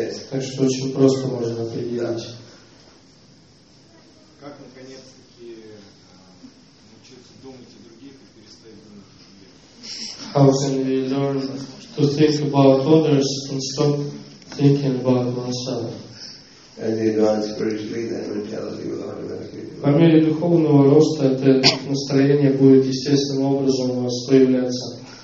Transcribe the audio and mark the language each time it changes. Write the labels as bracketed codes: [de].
[ru] Так что очень просто можно определять. Как наконец-таки научиться думать о других и перестать думать о себе? [en] How can we learn to think about others and stop thinking about oneself? As you advance spiritually, that mentality will automatically. [ru] По мере духовного роста это настроение будет естественным образом у вас появляться.